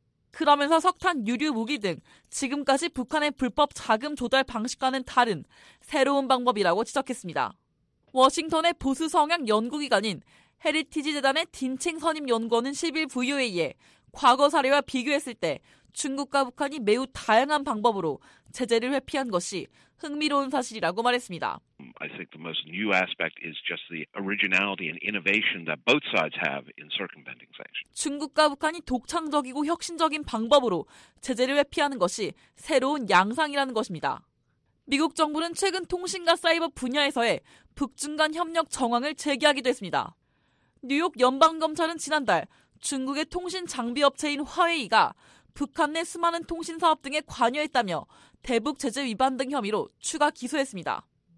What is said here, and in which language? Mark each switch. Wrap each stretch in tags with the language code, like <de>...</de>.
<ko>그러면서 석탄 유류 무기 등 지금까지 북한의 불법 자금 조달 방식과는 다른 새로운 방법이라고 지적했습니다. 워싱턴의 보수 성향 연구기관인 헤리티지 재단의 딘칭 선임 연구원은 10일 VOA에 과거 사례와 비교했을 때 중국과 북한이 매우 다양한 방법으로 제재를 회피한 것이 흥미로운 사실이라고 말했습니다.</ko> <en>I think the most new aspect is just the originality and innovation that both sides have in circumventing sanctions.</en> <ko>중국과 북한이 독창적이고 혁신적인 방법으로 제재를 회피하는 것이 새로운 양상이라는 것입니다. 미국 정부는 최근 통신과 사이버 분야에서의 북중 간 협력 정황을 제기하기도 했습니다. 뉴욕 연방검찰은 지난달 중국의 통신 장비 업체인 화웨이가 북한 내 수많은 통신 사업 등에 관여했다며 대북 제재 위반 등 혐의로 추가 기소했습니다.</ko>